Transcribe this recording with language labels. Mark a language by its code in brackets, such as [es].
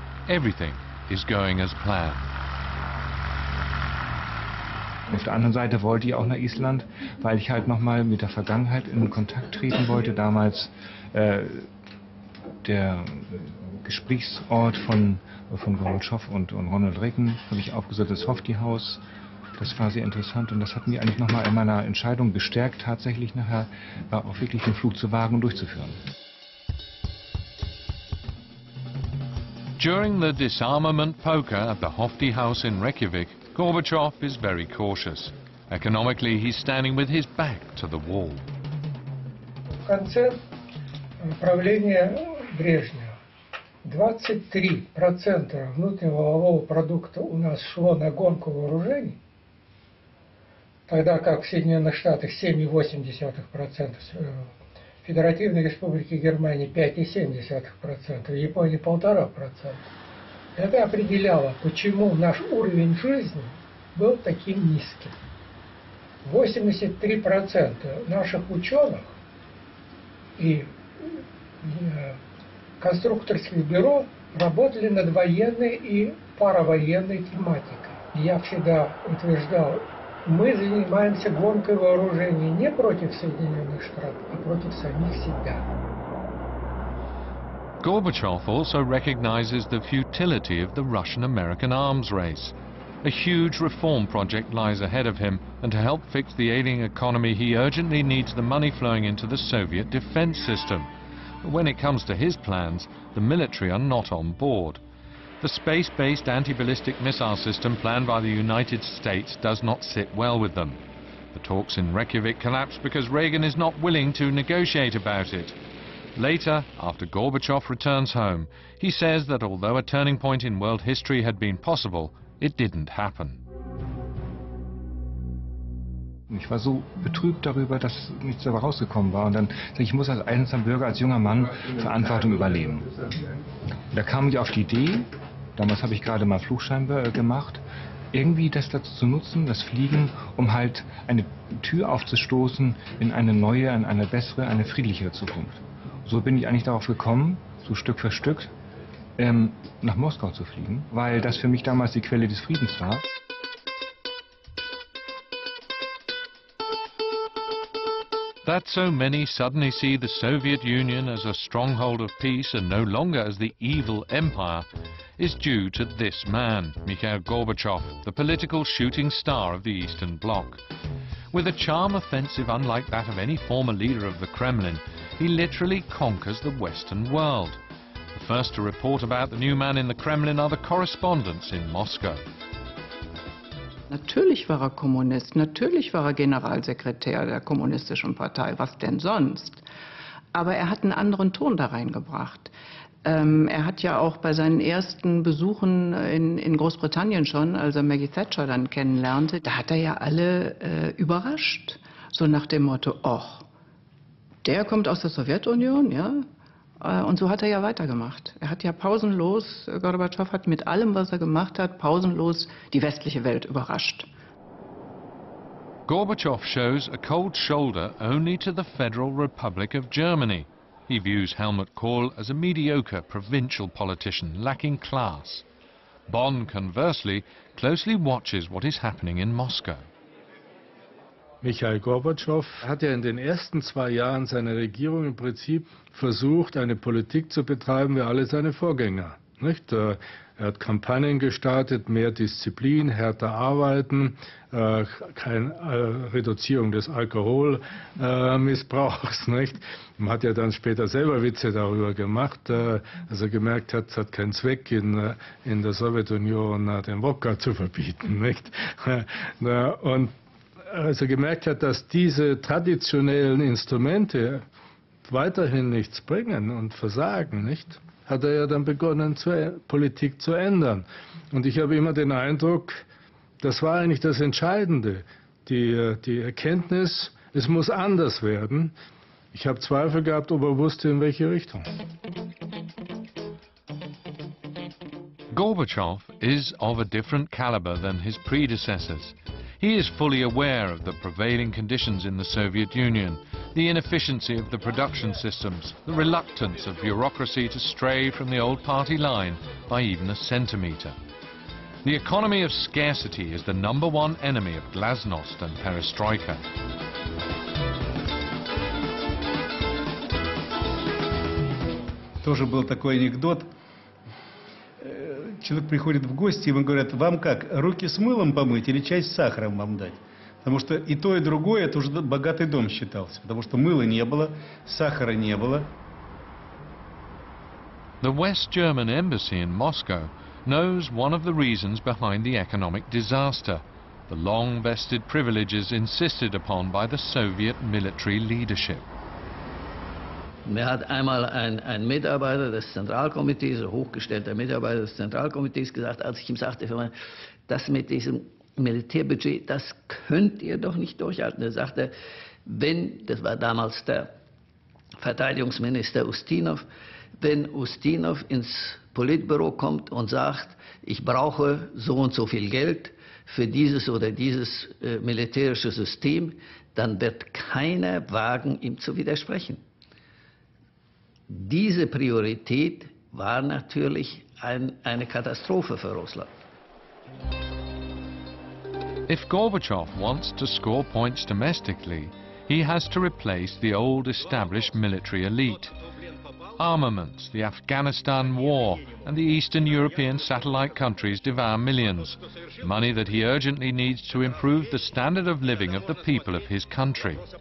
[en] Everything is going as planned. [de] Auf der anderen Seite wollte ich auch nach Island, weil ich halt nochmal mit der Vergangenheit in Kontakt treten wollte. Damals der Gesprächsort von Gorbatschow und Ronald Reagan habe ich aufgesucht, das Softie House. Das war sehr interessant und das hat mich eigentlich nochmal in meiner Entscheidung gestärkt, tatsächlich nachher auch wirklich den Flug zu wagen und durchzuführen. [en] During the disarmament poker at the Softie House in Reykjavik, Gorbachev is very cautious. Economically, he's standing with his back to the wall. [ru] В конце правления Брежнева 23% внутреннего валового продукта у нас шло на гонку вооружений, тогда как в Соединенных Штатах 7,8%, Федеративной Республике Германии 5,7%, в Японии 1,5%. Это определяло, почему наш уровень жизни был таким низким. 83% наших ученых и конструкторских бюро работали над военной и паравоенной тематикой. Я всегда утверждал, мы занимаемся гонкой вооружений не против Соединенных Штатов, а против самих себя. [en] Gorbachev also recognizes the futility of the Russian-American arms race. A huge reform project lies ahead of him, and to help fix the ailing economy, he urgently needs the money flowing into the Soviet defense system. But when it comes to his plans, the military are not on board. The space-based anti-ballistic missile system planned by the United States does not sit well with them. The talks in Reykjavik collapse because Reagan is not willing to negotiate about it. Later, after Gorbachev returns home, he says that although a turning point in world history had been possible, it didn't happen. [de] Ich war so betrübt darüber, dass nichts dabei rausgekommen war. Und dann sag ich, ich muss als einzelner Bürger, als junger Mann Verantwortung übernehmen. Da kam ich auf die Idee, damals habe ich gerade mal Flugschein gemacht, irgendwie das dazu zu nutzen, das Fliegen, um halt eine Tür aufzustoßen in eine neue, in eine bessere, eine friedlichere Zukunft. So bin ich eigentlich darauf gekommen, so Stück für Stück, nach Moskau zu fliegen, weil das für mich damals die Quelle des Friedens war. [en] That so many suddenly see the Soviet Union as a stronghold of peace and no longer as the evil empire is due to this man, Mikhail Gorbachev, the political shooting star of the Eastern Bloc. With a charm offensive unlike that of any former leader of the Kremlin, he literally conquers the Western world. The first to report about the new man in the Kremlin are the correspondents in Moscow. [de] Natürlich war er Kommunist, natürlich war er Generalsekretär der Kommunistischen Partei, was denn sonst? Aber er hat einen anderen Ton da reingebracht. Er hat ja auch bei seinen ersten Besuchen in Großbritannien schon, als er Maggie Thatcher dann kennenlernte, da hat er ja alle überrascht. So nach dem Motto, och, der kommt aus der Sowjetunion, ja? Und so hat er ja weitergemacht. Er hat ja pausenlos, Gorbatschow hat mit allem, was er gemacht hat, pausenlos die westliche Welt überrascht. [en] Gorbatschow shows a cold shoulder only to the Federal Republic of Germany. He views Helmut Kohl as a mediocre provincial politician lacking class. Bonn, conversely, closely watches what is happening in Moscow. [de] Mikhail Gorbatschow hat ja in den ersten zwei Jahren seiner Regierung im Prinzip versucht, eine Politik zu betreiben wie alle seine Vorgänger. Nicht? Er hat Kampagnen gestartet, mehr Disziplin, härter arbeiten, Reduzierung des Alkoholmissbrauchs. Nicht? Man hat ja dann später selber Witze darüber gemacht, dass er gemerkt hat, es hat keinen Zweck, in der Sowjetunion den Wodka zu verbieten. Nicht? Und als er gemerkt hat, dass diese traditionellen Instrumente weiterhin nichts bringen und versagen, nicht, hat er ja dann begonnen, Politik zu ändern. Und ich habe immer den Eindruck, das war eigentlich das Entscheidende, die Erkenntnis, Es muss anders werden. Ich habe Zweifel gehabt, ob er wusste, in welche Richtung. [en] Gorbachev is of a different caliber than his predecessors. He is fully aware of the prevailing conditions in the Soviet Union, the inefficiency of the production systems, the reluctance of bureaucracy to stray from the old party line by even a centimeter. The economy of scarcity is the number one enemy of glasnost and perestroika. [ru] Тоже был такой анекдот. Человек приходит в гости, ему говорят, вам как, руки с мылом помыть или чай с сахаром вам дать? Потому что и то, и другое, это уже богатый дом считался, потому что мыла не было, сахара не было. [en] The West German embassy in Moscow knows one of the reasons behind the economic disaster, the long-vested privileges insisted upon by the Soviet military leadership. [de] Mir hat einmal ein Mitarbeiter des Zentralkomitees, ein hochgestellter Mitarbeiter des Zentralkomitees, gesagt, als ich ihm sagte, das mit diesem Militärbudget, das könnt ihr doch nicht durchhalten. Er sagte, wenn, das war damals der Verteidigungsminister Ustinov, wenn Ustinov ins Politbüro kommt und sagt, ich brauche so und so viel Geld für dieses oder dieses militärische System, dann wird keiner wagen, ihm zu widersprechen. Diese Priorität war natürlich eine Katastrophe für Russland. [en] If Gorbachev wants to score points domestically, he has to replace the old established military elite. Armaments, the Afghanistan war, and the Eastern European satellite countries devour millions. Money that he urgently needs to improve the standard of living of the people of his country.